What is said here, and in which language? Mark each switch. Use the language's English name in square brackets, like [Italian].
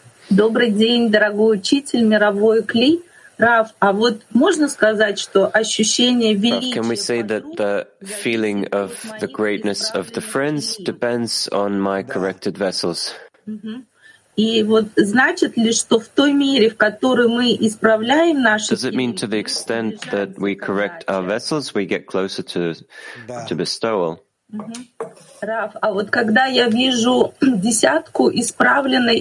[Russian] Добрый день, дорогой учитель, мировой кли. Рав, а вот можно сказать, что ощущение величия... [English] Can we say that the feeling of the greatness of the friends depends on my corrected vessels? [Russian] И вот значит ли, что в той мере, в которой мы исправляем наши... [English] Does it mean to the extent that we correct our vessels, we get closer to bestowal? [Russian] Рав, а вот когда я вижу десятку исправленной...